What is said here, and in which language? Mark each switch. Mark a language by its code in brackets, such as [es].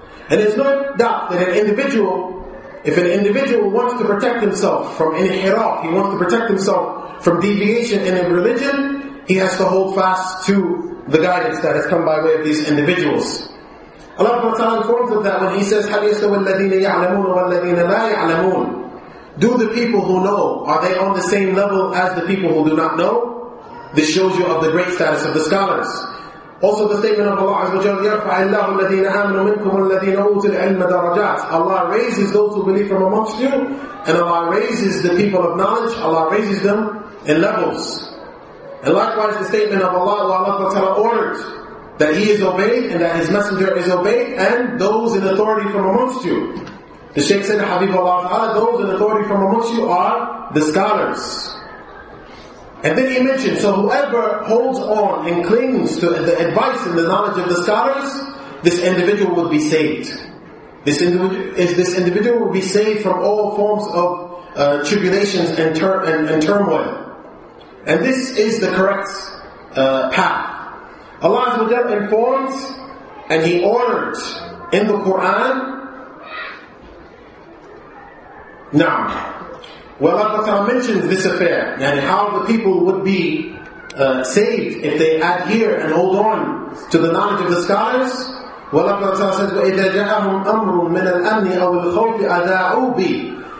[en] And there's no doubt that if an individual wants to protect himself from any hiraf, he wants to protect himself from deviation in a religion, he has to hold fast to the guidance that has come by way of these individuals. Allah Ta'ala informs of that when He says, [ar] هَلْ يَسْتَوَى الَّذِينَ يَعْلَمُونَ وَالَّذِينَ لَا يَعْلَمُونَ. [en] Do the people who know, are they on the same level as the people who do not know? This shows you of the great status of the scholars. Also the statement of Allah Azza wa Jalla, [ar] يَرْفَعِ اللَّهُ الَّذِينَ آمَنُوا مِنْكُمْ وَالَّذِينَ أُوتُوا الْعِلْمَ دَرَجَاتِ. [en] Allah raises those who believe from amongst you, and Allah raises the people of knowledge, Allah raises them in levels. And likewise the statement of Allah, Allah Ta'ala ordered that He is obeyed and that His Messenger is obeyed and those in authority from amongst you. The Shaykh said, Habib Allah Ta'ala, those in authority from amongst you are the scholars. And then he mentioned, so whoever holds on and clings to the advice and the knowledge of the scholars, this individual will be saved. This individual will be saved from all forms of tribulations and turmoil. And this is the correct path. Allah Azza wa Jalla informs and He ordered in the Quran. Now, well, Allah Ta'ala mentions this affair and how the people would be saved if they adhere and hold on to the knowledge of the scholars. Well, Allah Ta'ala says, [ar] وَإِذَا جَاءَهُمْ أَمْرٌ مِنَ الْأَمْنِ أَوْ الْخَوْفِ أَذَاعُوا بِهِ.